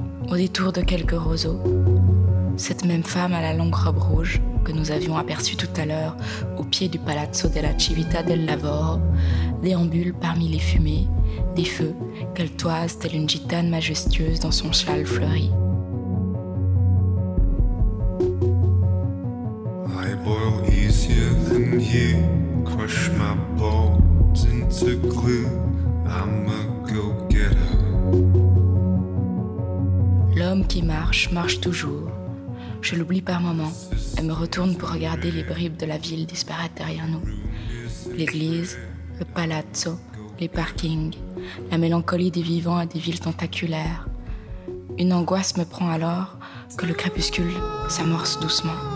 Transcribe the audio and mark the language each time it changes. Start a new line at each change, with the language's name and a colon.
French: Au détour de quelques roseaux, cette même femme à la longue robe rouge que nous avions aperçue tout à l'heure au pied du Palazzo della Civita del Lavoro déambule parmi les fumées, des feux qu'elle toise telle une gitane majestueuse dans son châle fleuri.
English: I boil easier than you, crush my bones into glue, I'm a go-getter.
French: L'homme qui marche, marche toujours. Je l'oublie par moments. Elle me retourne pour regarder les bribes de la ville disparaître derrière nous. L'église, le palazzo, les parkings, la mélancolie des vivants et des villes tentaculaires. Une angoisse me prend alors que le crépuscule s'amorce doucement.